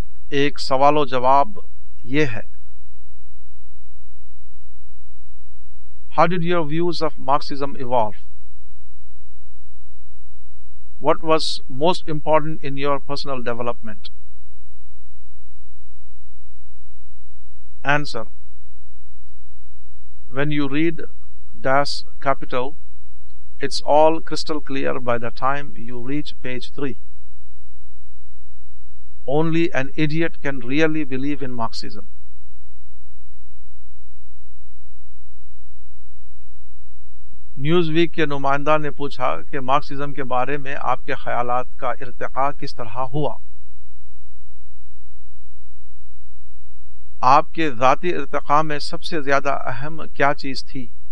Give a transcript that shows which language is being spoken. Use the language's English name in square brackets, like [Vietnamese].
[Urdu] ایک سوال و جواب یہ ہے، [English] How did your views of Marxism evolve? What was most important in your personal development? Answer: When you read Das Kapital, it's all crystal clear by the time you reach page 3. Only an idiot can really believe in Marxism. [Urdu] News week کے نمائندہ نے پوچھا کہ Marxism کے بارے میں آپ کے خیالات کا ارتقا کس طرح ہوا؟ آپ کے ذاتی ارتقا میں سب سے زیادہ اہم کیا چیز تھی؟